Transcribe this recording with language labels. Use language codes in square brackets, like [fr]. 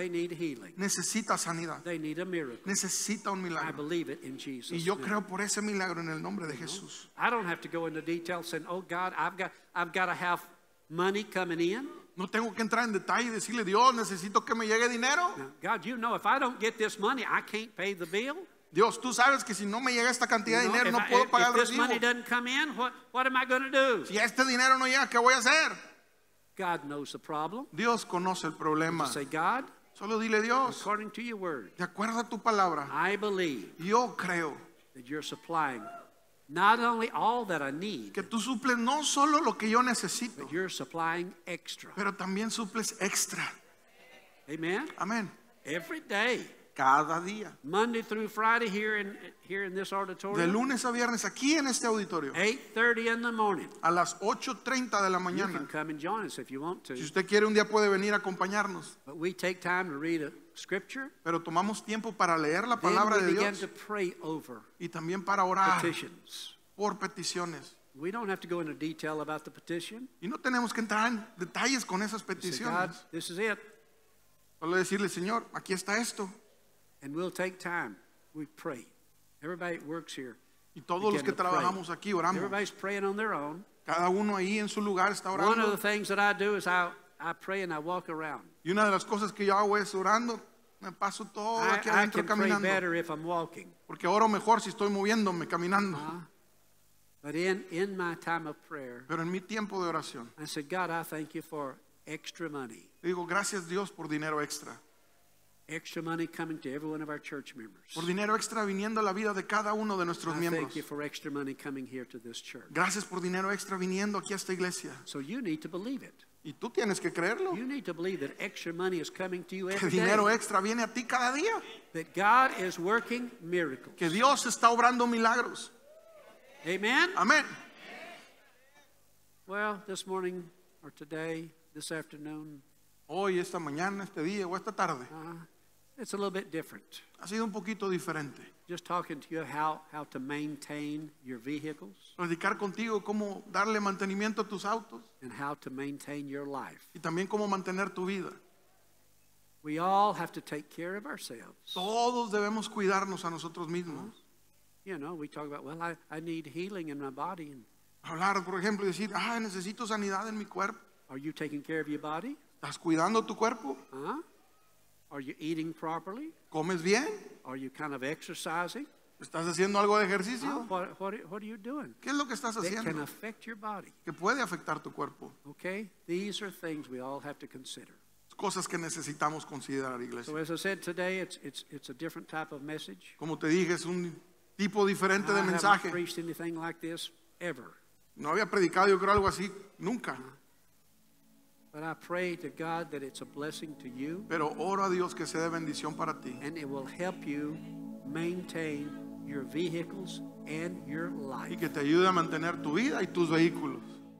[en] They need healing. [es] Necesita sanidad. [en] They need a miracle. [es] Necesita un milagro. [en] I believe it in Jesus. [es] Y yo creo por ese milagro en el nombre de Jesús. [en] I don't have to go into detail saying, "Oh God, I've got to have money coming in." [es] No tengo que entrar en detalle y decirle, Dios, necesito que me llegue dinero. [en] God, you know, if I don't get this money, I can't pay the bill. [es] Dios, tú sabes que si no me llega esta cantidad de dinero, no puedo pagar el recibo. [en] If this money doesn't come in, what am I going to do? [es] Si este dinero no llega, ¿qué voy a hacer? [en] God knows the problem. [es] Dios conoce el problema. [en] Say, God. [es] Solo dile, Dios. [en] According to your word. [es] De acuerdo a tu palabra. [en] I believe. [es] Yo creo. [en] That you're supplying. Not only all that I need. [es] Que tú suples no solo lo que yo necesito. [en] But you're supplying extra. [es] Pero también suples extra. [en] Amen. [es] Amen. [en] Every day. [es] Cada día. [en] Monday through Friday here in this auditorium. [es] De lunes a viernes aquí en este auditorio. [en] 8:30 in the morning. [es] A las 8:30 de la mañana. [en] You can come and join us if you want to. [es] Si usted quiere un día puede venir a acompañarnos. [en] But we take time to read a scripture. [es] Pero tomamos tiempo para leer la palabra de Dios. [en] Then we begin to pray over. [es] Y también para orar. [en] Petitions. [es] Por peticiones. [en] We don't have to go into detail about the petition. [es] Y no tenemos que entrar en detalles con esas peticiones. [en] Say, God, this is it. [es] Solo decirle, Señor, aquí está esto. [en] And we'll take time. We pray. Everybody that works here. [es] Y todos los que trabajamos aquí oramos. [en] Everybody's praying on their own. [es] Cada uno ahí en su lugar está orando. [en] One of the things that I do is I pray and I walk around. [es] Y una de las cosas que yo hago es orando. Me paso todo aquí adentro caminando. [en] I can pray better if I'm walking. [es] Porque oro mejor si estoy moviéndome, caminando. [en] But in my time of prayer, [es] pero en mi tiempo de oración, [en] I said, God, I thank you for extra money. [es] Digo, gracias Dios por dinero extra. [en] Extra money coming to every one of our church members. [es] Por dinero extra viniendo a la vida de cada uno de nuestros miembros. [en] I thank you for extra money coming here to this church. [es] Gracias por dinero extra viniendo aquí a esta iglesia. [en] So you need to believe it. [es] Y tú tienes que creerlo. [en] You need to believe that extra money is coming to you every day. [es] Que dinero extra viene a ti cada día. [en] That God is working miracles. [es] Que Dios está obrando milagros. [en] Amen. [es] Amen. [en] Well, this morning or today, this afternoon. [es] Hoy, esta mañana, este día, o esta tarde. [en] It's a little bit different. [es] Ha sido un poquito diferente. [en] Just talking to you how to maintain your vehicles. [es] Platicar contigo cómo darle mantenimiento a tus autos. [en] And how to maintain your life. [es] Y también cómo mantener tu vida. [en] We all have to take care of ourselves. [es] Todos debemos cuidarnos a nosotros mismos. [en] You know, we talk about, well, I need healing in my body. [es] Hablar, por ejemplo, y decir, ah, necesito sanidad en mi cuerpo. [en] Are you taking care of your body? [es] ¿Estás cuidando tu cuerpo? [en] Huh? Are you eating properly? [es] ¿Comes bien? [en] Are you kind of exercising? [es] ¿Estás haciendo algo de ejercicio? [en] What are you doing? [es] ¿Qué es lo que estás haciendo? [en] That can affect your body. [es] ¿Qué puede afectar tu cuerpo? [en] Okay, these are things we all have to consider. [es] Cosas que necesitamos considerar, iglesia. [en] So as I said today, it's a different type of message. [es] Como te dije, es un tipo diferente de mensaje. [en] Like this ever. [es] No había predicado yo creo algo así nunca. [en] But I pray to God that it's a blessing to you. [es] Pero oro a Dios que sea de bendición para ti. [en] And it will help you maintain your vehicles and your life. [es] Y que te ayude a mantener tu vida y tus vehículos.